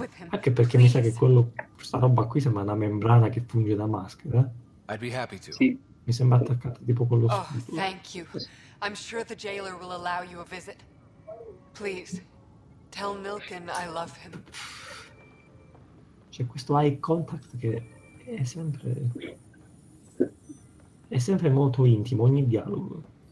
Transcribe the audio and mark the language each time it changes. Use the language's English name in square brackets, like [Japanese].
[Italian] Anche perché mi sa che quello, questa roba qui sembra una membrana che funge da maschera. Sì. Mi sembra attaccato tipo quello scudo. [English] I'm sure the jailer will allow you a visit. Please, tell Nilkin I love him. [Italian] C'è questo eye contact che è sempre molto intimo, ogni dialogo.